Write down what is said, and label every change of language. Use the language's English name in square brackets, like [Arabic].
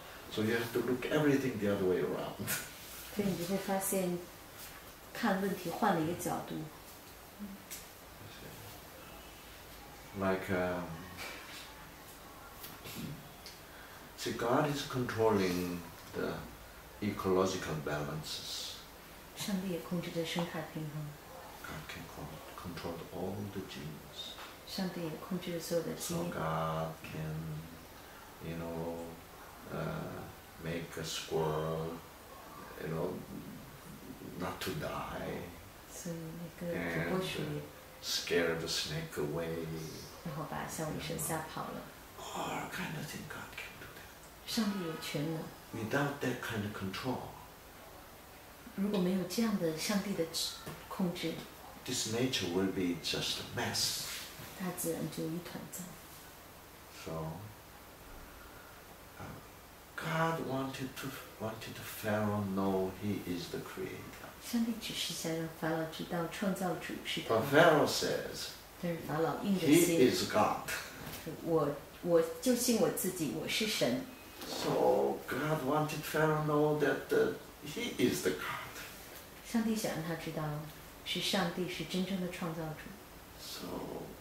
[English] So you have to look everything the other way around. [Chinese] 所以你就会发现，看问题换了一个角度。 [English] Like. See, God is controlling the ecological balances. [Chinese] 上帝也控制着生态平衡。 [English] God can control all the genes. [Chinese] 上帝也控制着所有的基因。 [English] So God can, you know, make a squirrel, you know, not to die. [Chinese] 所以那个土拨鼠。 [English] And scare the snake away. [Chinese] 然后把小女生吓跑了。 [English] All kind of things God can. [Chinese] 上帝有权能。 [English] Without that kind of control, [Chinese] 如果没有这样的上帝的控制 [English] ，this nature will be just a mess. [Chinese] 大自然就一团糟。 [English] So, God wanted Pharaoh know he is the creator. [Chinese] 上帝只是想让法老知道创造主是他。 [English] But Pharaoh says, [Chinese] 但是法老硬着心。 [English] He is God. [Chinese] 我就信我自己，我是神。 [English] So God wanted Pharaoh to know that he is the God. [Chinese] 上帝想让他知道，是上帝是真正的创造主。